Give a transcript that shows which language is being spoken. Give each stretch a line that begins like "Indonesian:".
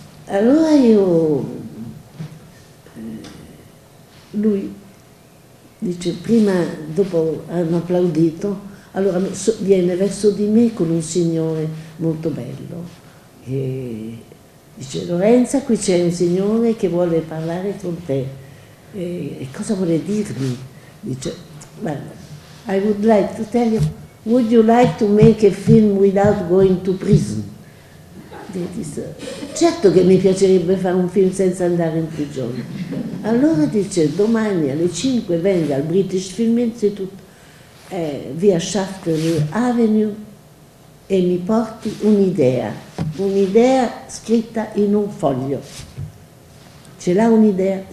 Italian: Allora io, lui dice, prima, dopo hanno applaudito, allora viene verso di me con un signore molto bello e dice, Lorenza, qui c'è un signore che vuole parlare con te. E cosa vuole dirmi? Dice,
English: well, I would like to tell you, would you like to make a film without going to prison?
Italian: E dice, certo che mi piacerebbe fare un film senza andare in prigione. Allora dice, domani alle 5 venga al British Film Institute, via Shaftesbury Avenue, e mi porti un'idea scritta in un foglio. Ce l'ha un'idea?